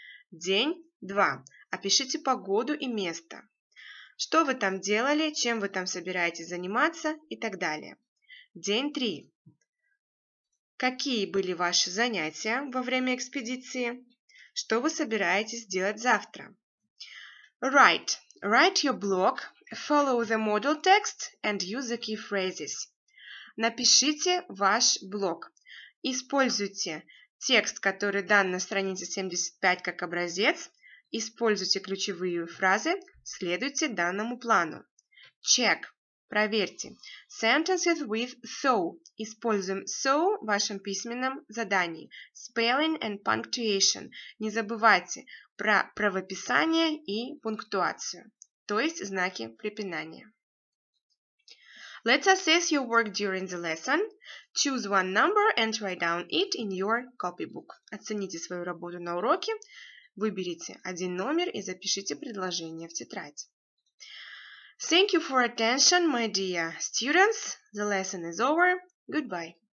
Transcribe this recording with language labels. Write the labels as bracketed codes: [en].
[ru] День два. Опишите погоду и место. Что вы там делали, чем вы там собираетесь заниматься и так далее. День 3. Какие были ваши занятия во время экспедиции? Что вы собираетесь делать завтра? [en] Write. Write your blog, follow the model text and use the key phrases. [ru] Напишите ваш блог. Используйте текст, который дан на странице 75 как образец. Используйте ключевые фразы, следуйте данному плану. [en] Check. [ru] Проверьте. [en] Sentences with so. [ru] Используем so в вашем письменном задании. [en] Spelling and punctuation. [ru] Не забывайте про правописание и пунктуацию, то есть знаки препинания. [en] Let's assess your work during the lesson. Choose one number and write down it in your copybook. [ru] Оцените свою работу на уроке. Выберите один номер и запишите предложение в тетрадь. [en] Thank you for attention, my dear students. The lesson is over. Goodbye.